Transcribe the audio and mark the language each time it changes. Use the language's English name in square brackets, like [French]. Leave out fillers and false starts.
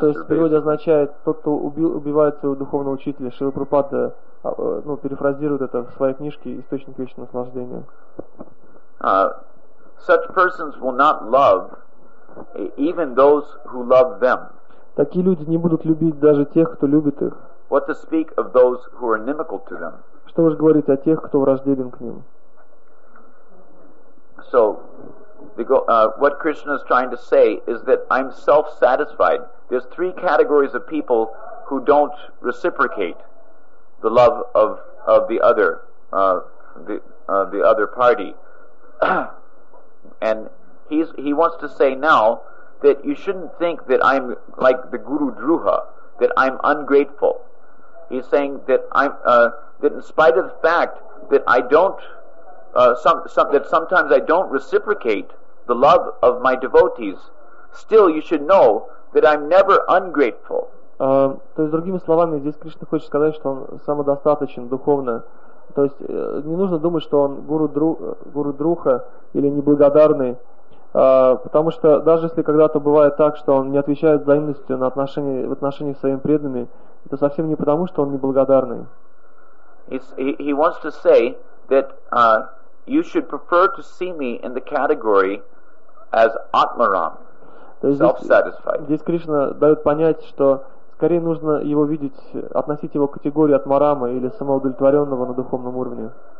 [Russian] то есть в природе означает тот, кто убивает своего духовного учителя. Шрила Прабхупада перефразирует это в своей книжке «Источник вечного наслаждения». [English] Such persons will not love even those who love them. [Russian] Такие люди не будут любить даже тех, кто любит их. [English] What to speak of those who are inimical to them? [Russian] Что уж говорить о тех, кто враждебен к ним? [English] So, what Krishna is trying to say is that I'm self-satisfied. There's three categories of people who don't reciprocate the love of the other, the other party. And he wants to say now that you shouldn't think that I'm like the Guru Druha, that I'm ungrateful. He's saying that I'm that in spite of the fact that I don't that sometimes I don't reciprocate the love of my devotees, still you should know that I'm never ungrateful. [Russian] То есть другими словами, здесь Кришна хочет сказать, что он самодостаточен духовно. То есть не нужно думать, что он гуру-друха или неблагодарный, потому что даже если когда-то бывает так, что он не отвечает взаимностью на отношения, в отношении с своими преданными, это совсем не потому, что он неблагодарный. [English] He wants to say that you should prefer to see me in the category as Atmaram, self-satisfied. [Russian] Здесь Кришна дает понять, что скорее нужно его видеть, относить его к категории Атмарама или самоудовлетворенного на духовном уровне.